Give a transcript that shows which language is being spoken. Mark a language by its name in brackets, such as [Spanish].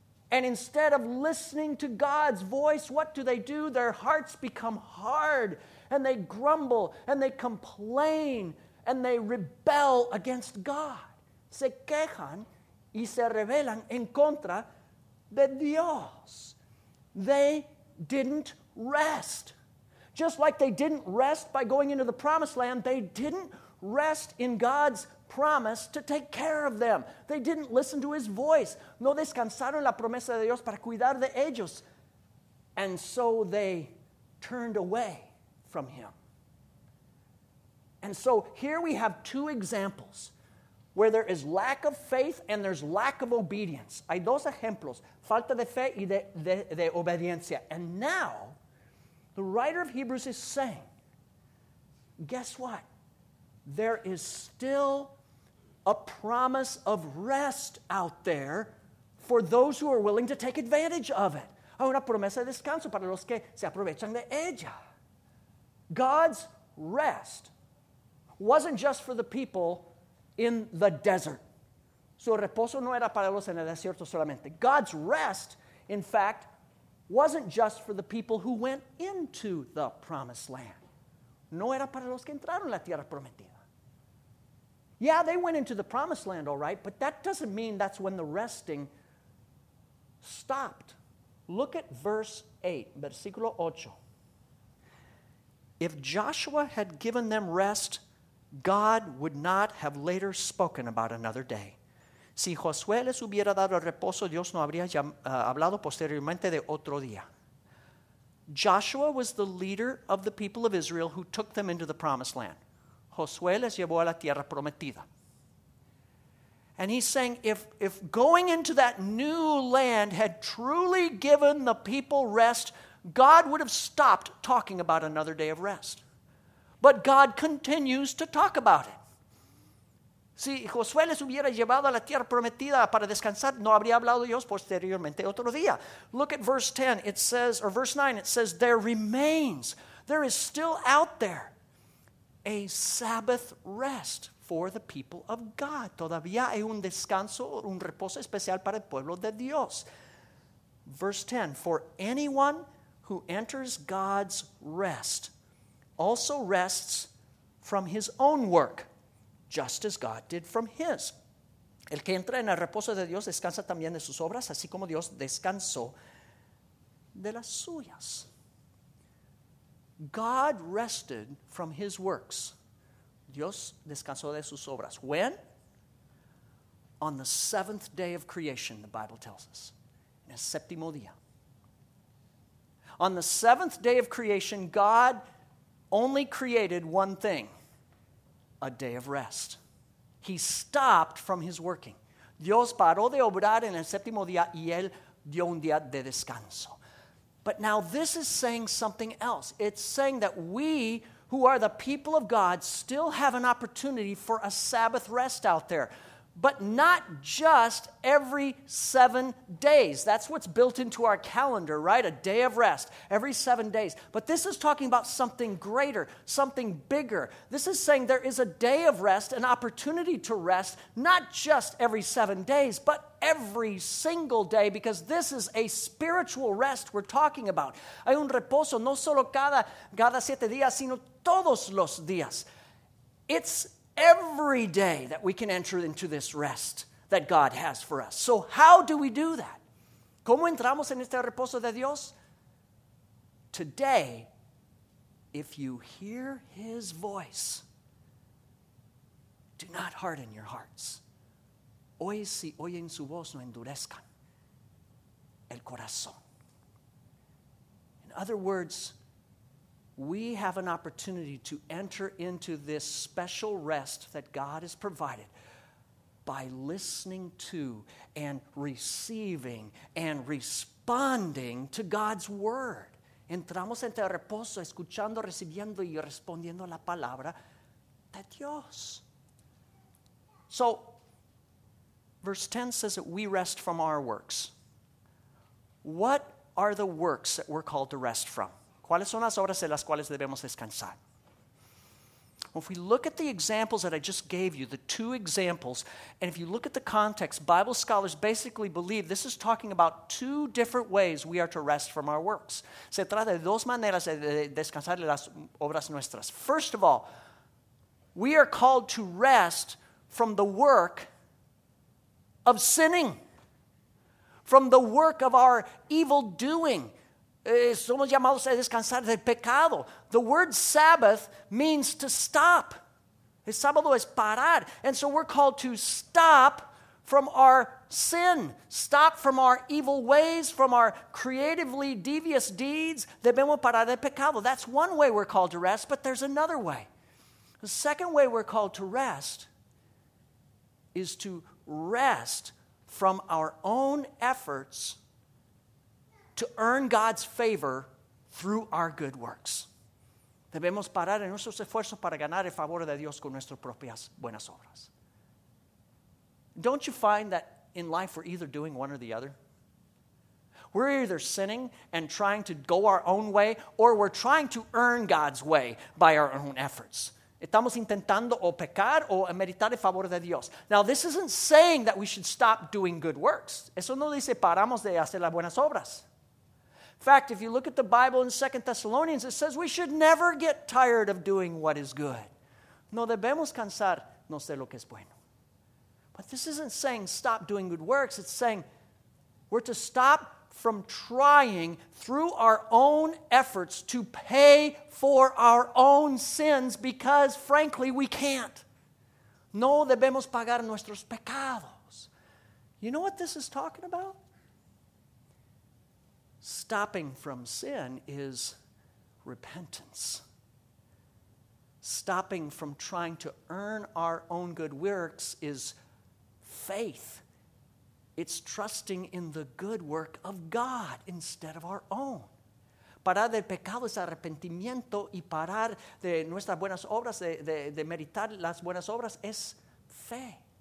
[English] And instead of listening to God's voice, what do? Their hearts become hard, and they grumble, and they complain, and they rebel against God. [Spanish] Se quejan y se rebelan en contra de Dios. [English] They didn't rest. Just like they didn't rest by going into the promised land, they didn't rest in God's promise to take care of them. They didn't listen to his voice. [Spanish] No descansaron la promesa de Dios para cuidar de ellos. [English] And so they turned away from him. And so here we have two examples where there is lack of faith and there's lack of obedience. [Spanish] Hay dos ejemplos, falta de fe y de obediencia. [English] And now, the writer of Hebrews is saying, guess what? There is still a promise of rest out there for those who are willing to take advantage of it. [Spanish] Hay una promesa de descanso para los que se aprovechan de ella. [English] God's rest wasn't just for the people in the desert. [Spanish] Su reposo no era para los en el desierto solamente. [English] God's rest, in fact, wasn't just for the people who went into the promised land. [Spanish] No era para los que entraron la tierra prometida. [English] Yeah, they went into the promised land, all right, but that doesn't mean that's when the resting stopped. Look at verse 8, [Spanish] versículo 8. [English] If Joshua had given them rest, God would not have later spoken about another day. [Spanish] Si Josué les hubiera dado reposo, Dios no habría hablado posteriormente de otro día. [English] Joshua was the leader of the people of Israel who took them into the promised land. [Spanish] Josué les llevó a la tierra prometida. [English] And he's saying, if going into that new land had truly given the people rest, God would have stopped talking about another day of rest. But God continues to talk about it. [Spanish] Si Josué les hubiera llevado a la tierra prometida para descansar, no habría hablado Dios posteriormente otro día. [English] Look at verse 10, it says, or verse 9, it says, there remains, there is still out there, a Sabbath rest for the people of God. [Spanish] Todavía hay un descanso, un reposo especial para el pueblo de Dios. [English] Verse 10, for anyone who enters God's rest also rests from his own work, just as God did from his. [Spanish] El que entra en el reposo de Dios descansa también de sus obras, así como Dios descansó de las suyas. [English] God rested from his works. [Spanish] Dios descansó de sus obras. [English] When? On the seventh day of creation, the Bible tells us. [Spanish] En el séptimo día. [English] On the seventh day of creation, God only created one thing. A day of rest. He stopped from his working. [Spanish] Dios paró de obrar en el séptimo día y él dio un día de descanso. [English] But now this is saying something else. It's saying that we, who are the people of God, still have an opportunity for a Sabbath rest out there. But not just every 7 days. That's what's built into our calendar, right? A day of rest every 7 days. But this is talking about something greater, something bigger. This is saying there is a day of rest, an opportunity to rest, not just every 7 days, but every single day, because this is a spiritual rest we're talking about. [Spanish] Hay un reposo, no solo cada siete días, sino todos los días. [English] It's every day that we can enter into this rest that God has for us. So how do we do that? [Spanish] ¿Cómo entramos en este reposo de Dios? [English] Today, if you hear his voice, do not harden your hearts. [Spanish] Hoy, si oyen su voz, no endurezcan el corazón. [English] In other words, we have an opportunity to enter into this special rest that God has provided by listening to and receiving and responding to God's word. [Spanish] Entramos en el reposo escuchando, recibiendo y respondiendo la palabra de Dios. [English] So, verse 10 says that we rest from our works. What are the works that we're called to rest from? [Spanish] ¿Cuáles son las obras en las cuales debemos descansar? [English] Well, if we look at the examples that I just gave you, the two examples, and if you look at the context, Bible scholars basically believe this is talking about two different ways we are to rest from our works. [Spanish] Se trata de dos maneras de descansar de las obras nuestras. [English] First of all, we are called to rest from the work of sinning, from the work of our evil doing. [Spanish] Somos llamados a descansar del pecado. [English] The word Sabbath means to stop. [Spanish] El sábado es parar. [English] And so we're called to stop from our sin, stop from our evil ways, from our creatively devious deeds. [Spanish] Debemos parar del pecado. [English] That's one way we're called to rest, but there's another way. The second way we're called to rest is to rest from our own efforts to earn God's favor through our good works. [Spanish] Debemos parar en nuestros esfuerzos para ganar el favor de Dios con nuestras propias buenas obras. [English] Don't you find that in life we're either doing one or the other? We're either sinning and trying to go our own way, or we're trying to earn God's way by our own efforts. [Spanish] Estamos intentando o pecar o meritar el favor de Dios. [English] Now, this isn't saying that we should stop doing good works. [Spanish] Eso no dice paramos de hacer las buenas obras. [English] In fact, if you look at the Bible in 2 Thessalonians, it says we should never get tired of doing what is good. [Spanish] No debemos cansarnos de lo que es bueno. [English] But this isn't saying stop doing good works. It's saying we're to stop from trying through our own efforts to pay for our own sins because, frankly, we can't. [Spanish] No debemos pagar nuestros pecados. [English] You know what this is talking about? Stopping from sin is repentance. Stopping from trying to earn our own good works is faith. It's trusting in the good work of God instead of our own. [Spanish] parar del pecado es arrepentimiento y parar de nuestras buenas obras, de meditar las buenas obras es fe.